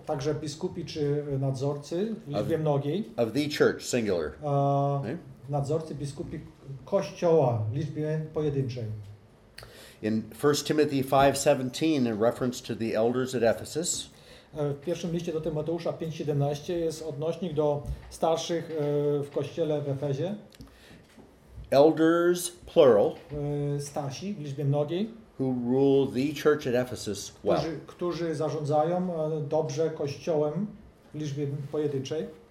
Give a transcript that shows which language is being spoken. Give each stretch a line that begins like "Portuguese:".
Polish: Także biskupi czy nadzorcy w liczbie mnogiej.
English: Of the church, singular.
Polish: Nadzorcy, biskupi kościoła w liczbie pojedynczej.
English: In 1 Timothy 5:17, in reference to the elders at Ephesus.
Polish: W pierwszym liście do Tymoteusza 5:17 jest odnośnik do starszych w kościele w Efezie.
English: Elders, plural.
Polish: Starsi w liczbie mnogiej.
English: Who rule the church at Ephesus well.
Polish: Którzy zarządzają dobrze kościołem w liczbie pojedynczej.